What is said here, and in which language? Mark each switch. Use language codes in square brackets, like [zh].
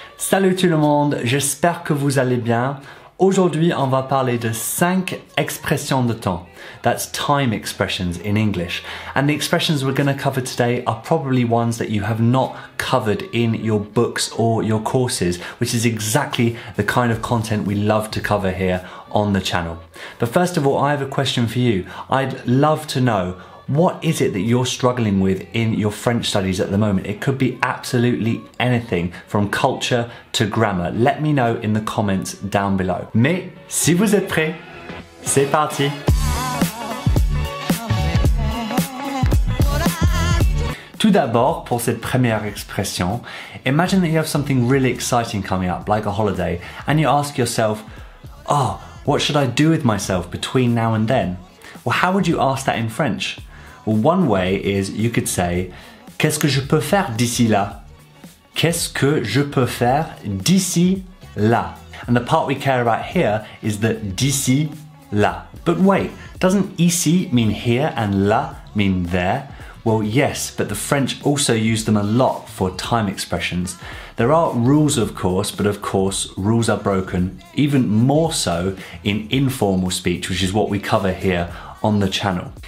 [fr] Salut tout le monde, j'espère que vous allez bien. Aujourd'hui, on va parler de 5 expressions de temps. [en] That's time expressions in English. And the expressions we're going to cover today are probably ones that you have not covered in your books or your courses, which is exactly the kind of content we love to cover here on the channel. But first of all, I have a question for you. I'd love to know, what is it that you're struggling with in your French studies at the moment? It could be absolutely anything from culture to grammar. Let me know in the comments down below. [fr] Mais si vous êtes prêts, c'est parti! Tout d'abord, pour cette première expression, [en] imagine that you have something really exciting coming up, like a holiday, and you ask yourself, oh, what should I do with myself between now and then? Well, how would you ask that in French? Well, one way is you could say, [fr] qu'est-ce que je peux faire d'ici là? Qu'est-ce que je peux faire d'ici là? [en] And the part we care about here is the d'ici là. But wait, doesn't ici mean here and là mean there? Well, yes, but the French also use them a lot for time expressions. There are rules, of course, but of course, rules are broken even more so in informal speech, which is what we cover here on the channel.